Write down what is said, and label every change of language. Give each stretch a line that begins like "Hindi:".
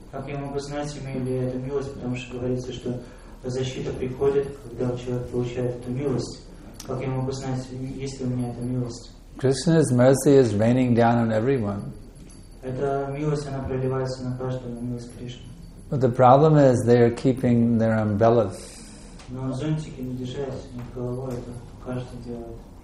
Russian: Как я могу знать, имею ли я эту милость, потому что говорится, что Эта защита приходит, когда человек получает эту милость. Как я могу знать, есть ли у меня эта милость?
English: Krishna's mercy is raining down on everyone.
Russian: Эта милость, она проливается на каждого, милость Кришны.
English: But the problem is they are keeping their umbrellas.
Russian: Но зонтики не держать над головой, это каждый делает.